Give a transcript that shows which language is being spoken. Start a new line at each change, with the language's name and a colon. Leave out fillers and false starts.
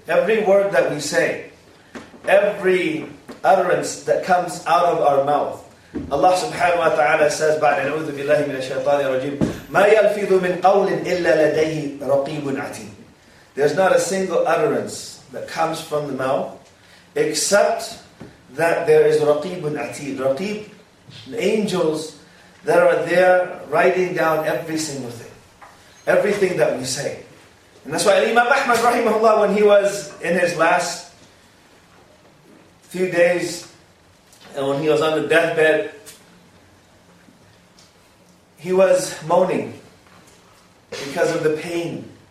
English: Every word that we say, every utterance that comes out of our mouth. Allah subhanahu wa ta'ala says,
Arabic: بَعْدَ نَعُوذُ بِاللَّهِ مِنَ الشَّيْطَانِ الرَّجِيمِ مَا يَلْفِظُ مِنْ قَوْلٍ إِلَّا لَدَيْهِ رَقِيبٌ عَتِيمٌ.
English: There's not a single utterance that comes from the mouth except that there is
Arabic: رَقِيبٌ عَتِيمٌ.
English: رَقِيب, the angels that are there writing down every single thing. Everything that we say. And that's why Imam Ahmad rahimahullah, when he was in his last few days, and when he was on the deathbed, he was moaning because of the pain.